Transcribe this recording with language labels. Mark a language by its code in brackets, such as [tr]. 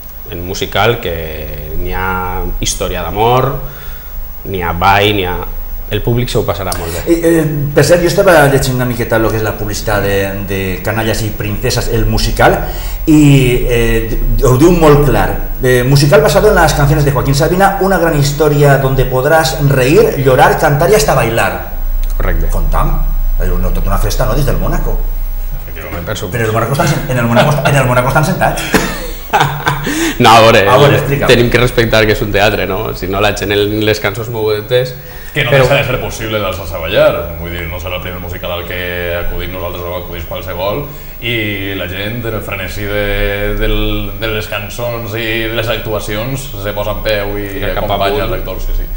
[ca] El musical que n'hi ha història d'amor, n'hi ha ball, n'hi ha... El públic se ho passarà molt bé. Per cert, jo estava llegint una miqueta el que és la publicitat de Canalles i Princeses, el musical, i ho diu molt clar. [es] Musical basado en las canciones de Joaquín Sabina, una gran historia donde podrás reír, llorar, cantar y hasta bailar. [ca] Correcte. Contam, tot una festa, no?, des del Mónaco. Efectivament, per supos. Però en el Mónaco estan sentats. No, a veure, tenim que respectar que és un teatre, no? Si no, la gent en les cançons mou de test... Que no deixa de ser possible dels assaballar, vull dir, no serà el primer musical al que acudim nosaltres o acudis qualsevol, i la gent, el frenesí de les cançons i de les actuacions, se posa en peu i acompanya els actors, sí, sí.